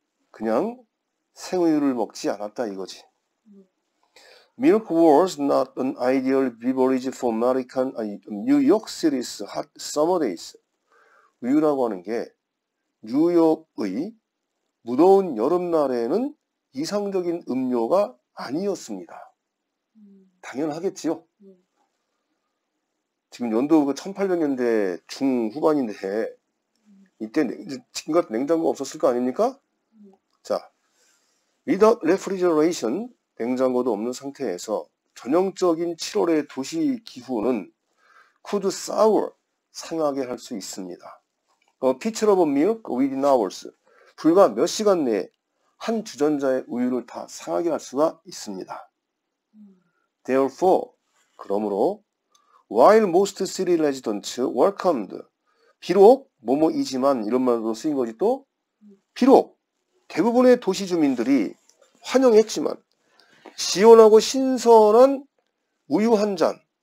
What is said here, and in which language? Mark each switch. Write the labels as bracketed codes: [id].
[ko] 그냥 생우유를 먹지 않았다 이거지. [en] Milk was not an ideal beverage for American, New York City's hot summer days. [ko] 우유라고 하는 게 뉴욕의 무더운 여름날에는 이상적인 음료가 아니었습니다. 당연하겠지요. 지금 연도가 1800년대 중후반인데, 이때 지금 같은 냉장고 없었을 거 아닙니까? 자, [en] without refrigeration, [ko] 냉장고도 없는 상태에서 전형적인 7월의 도시 기후는 [en] could sour, [ko] 상하게 할수 있습니다. [en] pitcher of milk within hours. [ko] 불과 몇 시간 내에 한 주전자의 우유를 다 상하게 할 수가 있습니다. [en] Therefore, [ko] 그러므로, [en] while most city residents welcomed, [ko] 비록, 뭐뭐이지만, 이런 말도 쓰인 거지 또, 비록, 대부분의 도시 주민들이 환영했지만, 시원하고 신선한 우유 한 잔,